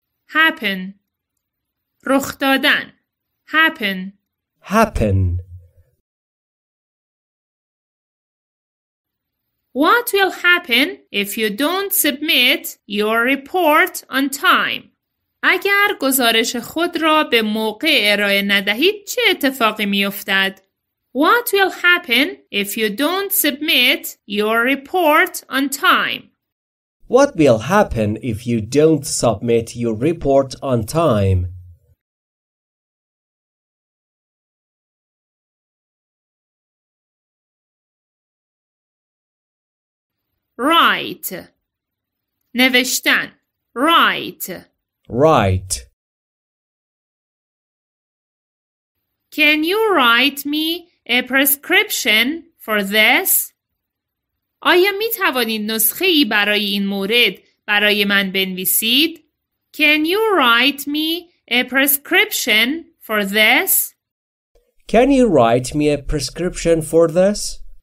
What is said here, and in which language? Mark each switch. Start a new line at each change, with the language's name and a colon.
Persian: Happen. رخ دادن. Happen.
English: Happen. What will happen if you don't submit your report on time?
Persian: اگر گزارش خود را به موقع ارائه ندهید چه اتفاقی می افتد؟
English: What will happen if you don't submit your report on time? What will happen if you don't submit your report on time? Write. نوشتن. Write. Write. Can you write me a prescription for this?
Persian: آیا می توانید نسخه ای برای این مورد برای من بنویسید؟
English: Can you write me a prescription for this? Can you write me a prescription for this?